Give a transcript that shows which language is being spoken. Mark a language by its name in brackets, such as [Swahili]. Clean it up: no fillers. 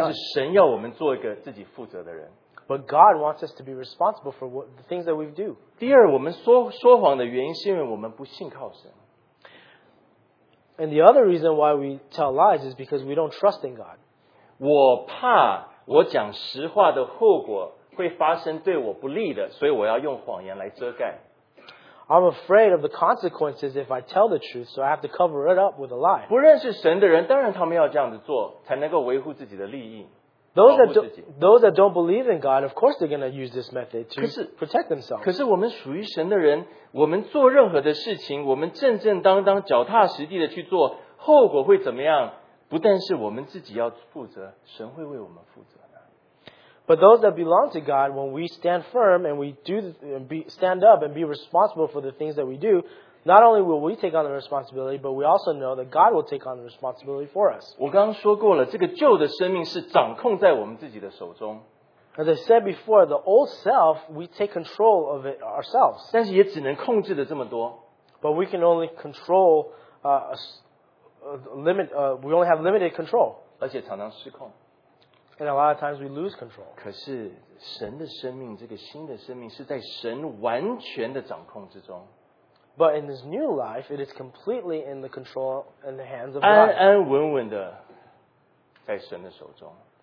[Chinese] 但是神要我们做一个自己负责的人。 [English] But God wants us to be responsible for the things that we do. [Chinese] 第二，我们说谎的原因是因为我们不信靠神。 [English] And the other reason why we tell lies is because we don't trust in God. [Chinese] 我怕我讲实话的后果会发生对我不利的，所以我要用谎言来遮盖。 [English] I'm afraid of the consequences if I tell the truth, so I have to cover it up with a lie. [Chinese] 不认识神的人，当然他们要这样子做，才能够维护自己的利益。 [English] Those that don't believe in God, of course they're going to use this method to protect themselves. [Chinese] 可是我们属于神的人，我们做任何的事情，我们正正当当、脚踏实地的去做，后果会怎么样？不但是我们自己要负责，神会为我们负责。 [English] But those that belong to God, when we stand firm and we do stand up and be responsible for the things that we do, not only will we take on the responsibility, but we also know that God will take on the responsibility for us. [Chinese] 我刚刚说过了，这个旧的生命是掌控在我们自己的手中。 [English] As I said before, the old self, we take control of it ourselves. [Chinese] 但是也只能控制的这么多。 [English] But we can only control we only have limited control. [Chinese] 而且常常失控。 [English] And a lot of times we lose control. [Chinese] 可是神的生命，这个新的生命是在神完全的掌控之中。 [English] But in this new life, it is completely in the control and the hands of God. [Chinese] 安安稳稳的在神的手中。